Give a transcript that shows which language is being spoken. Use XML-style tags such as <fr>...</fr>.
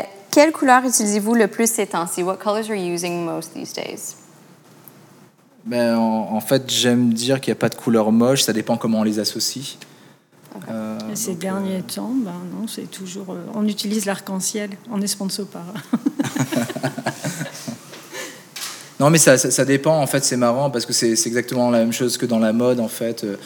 <fr>Quelle couleur utilisez-vous le plus ces temps-ci?</fr> <en>What colors are you using most these days?</en> <fr>Ben, en fait, j'aime dire qu'il n'y a pas de couleurs moches, ça dépend comment on les associe.</fr> <en>Okay.</en> <fr>Ces derniers temps, ben non, c'est toujours... on utilise l'arc-en-ciel, on est sponsor par... Non, mais ça dépend, en fait, c'est marrant, parce que c'est exactement la même chose que dans la mode, en fait.</fr>